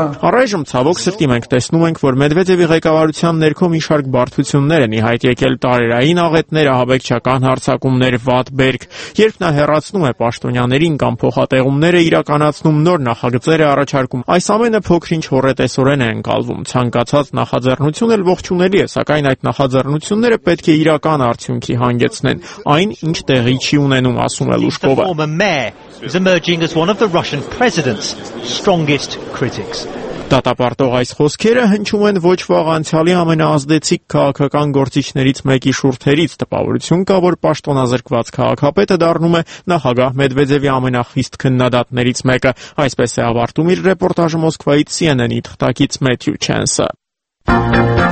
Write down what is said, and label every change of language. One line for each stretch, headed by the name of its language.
Armenian: Առայժմ, ցավոք սրտի, մենք տեսնում ենք, որ Մեդվեդևի ղեկավարության ներքո մի շարք բարդություններ են, իհայտ եկել տարերային աղետներ, ահաբեկչական հարձակումներ, վատ բերք, երբ նա հեռացնում է պաշտոնյաներին կամ փոխատեղումները իրականացնում, նոր նախագծեր է առաջարկում, այս ամենը փոքրինչ հորետեսորեն է ընկալվում, ցանկացած նախաձեռնություն էլ ողջունելի է, սակայն այդ նախաձեռնությունները պետք է իրական արդյունքի հանգեցնեն, այն ինչ տեղի չի ունենում, ասում է Լուշկովը։
English: Is emerging as one of the Russian president's strongest critics.
Armenian: Դատապարտող այս խոսքերը հնչում են ոչ վաղ անցյալի ամենաազդեցիկ քաղաքական գործիչներից մեկի շուրթերից, տպավորություն կա, որ պաշտոնազրկված քաղաքապետը դառնում է նախագահ Մեդվեդևի ամենախիստ քննադատներից մեկը, այսպես է ավարտում իր ռեպորտաժը Մոսկվայից CNN-ի թղթակից Մեթյու Չենսը։